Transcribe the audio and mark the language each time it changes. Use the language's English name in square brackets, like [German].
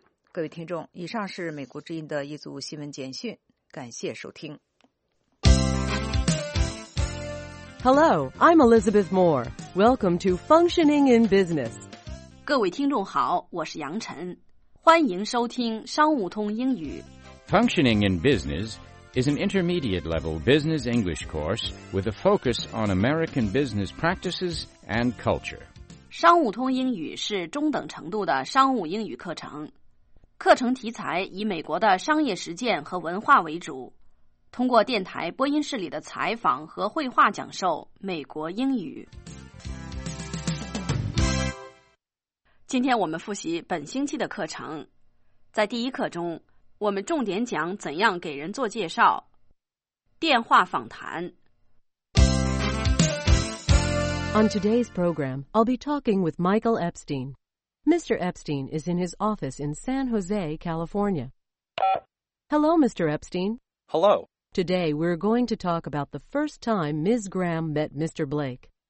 [Chinese] 各位听众，以上是美国之音的一组新闻简讯，感谢收听。 [English] Hello, I'm Elizabeth Moore. Welcome to Functioning in Business. [Chinese] 各位听众好，我是杨晨，欢迎收听商务通英语。 [English] Functioning in Business is an intermediate level business English course with a focus on American business practices and culture. [Chinese] 商务通英语是中等程度的商务英语课程，课程题材以美国的商业实践和文化为主，通过电台播音室里的采访和绘画讲授美国英语。今天我们复习本星期的课程，在第一课中我们重点讲怎样给人做介绍，电话访谈。 [English] On today's program, I'll be talking with Michael Epstein. Mr. Epstein is in his office in San Jose, California. Hello, Mr. Epstein. Hello. Today we're going to talk about the first time Ms. Graham met Mr. Blake.